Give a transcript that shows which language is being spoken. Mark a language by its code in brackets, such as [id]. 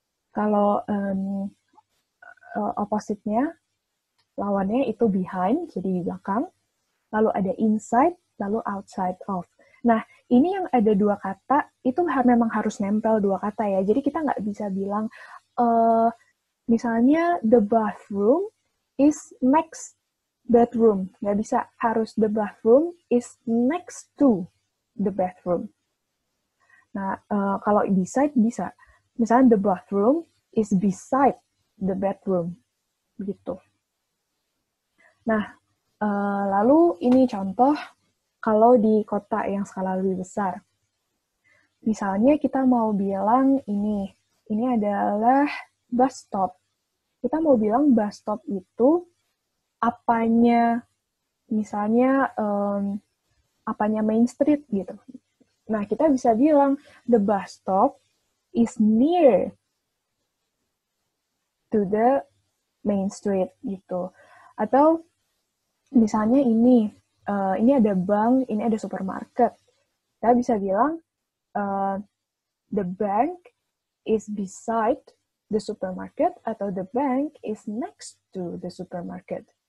[id] Kalau opposite-nya, lawannya itu behind, jadi di belakang, lalu ada inside, lalu outside of. Nah, ini yang ada dua kata, itu memang harus nempel dua kata ya, jadi kita nggak bisa bilang, misalnya, [en] the bathroom is next bedroom. [id] Nggak bisa, harus [en] the bathroom is next to the bedroom. [id] Nah, kalau [en] beside, [id] bisa. Misalnya, [en] the bathroom is beside the bedroom. [id] Begitu. Nah, lalu ini contoh kalau di kota yang skala lebih besar. Misalnya, kita mau bilang ini adalah bus stop. Kita mau bilang bus stop itu apanya, misalnya apanya main street gitu. Nah, kita bisa bilang [en] the bus stop is near to the main street [id] gitu. Atau misalnya ini ada bank, ini ada supermarket. Kita bisa bilang [en] the bank is beside the supermarket, [id] atau [en] the bank is next to the supermarket.